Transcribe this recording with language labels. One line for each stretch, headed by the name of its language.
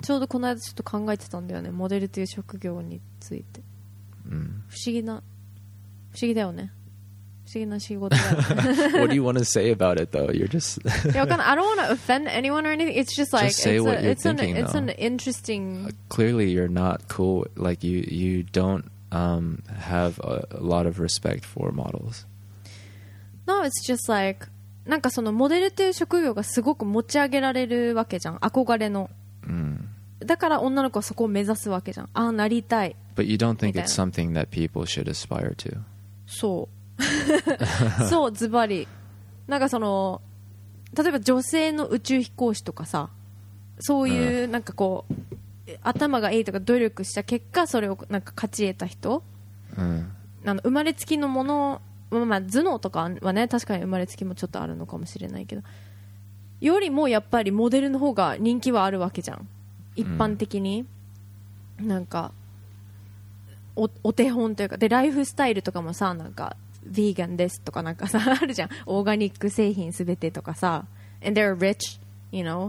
Japanese: ちょうどこの間ちょっと考えてたんだよね、モデルという職業について。 Mm. 不思議だよね。不思議な仕事だよね。
English: What do you want to say about it, though? You're just.
Japanese: いや、分かんない。
English: I don't want to offend anyone or anything. It's just like just say what you're thinking. It's an interesting. Clearly, you're not cool. Like you don't have a lot of respect for models. No, it's just like,
Japanese: なんかそのモデルっていう職業がすごく持ち上げられるわけじゃん、憧れの。 Mm. だから女の子はそこを目指すわけじゃん。ああなりたい。
English: But you don't think it's something that people should aspire to.
Japanese: そう。そうズバリ。なんかその例えば女性の宇宙飛行士とかさ、そういうなんかこう、頭がいいとか努力した結果それをなんか勝ち得た人。 Mm. あの生まれつきのものを。まあ、まあ頭脳とかはね確かに生まれつきもちょっとあるのかもしれないけどよりもやっぱりモデルの方が人気はあるわけじゃん一般的に、うん、なんか お手本というかでライフスタイルとかもさなんかヴィーガンですとかなんかさあるじゃんオーガニック製品すべてとかさ
English: and they're rich you know、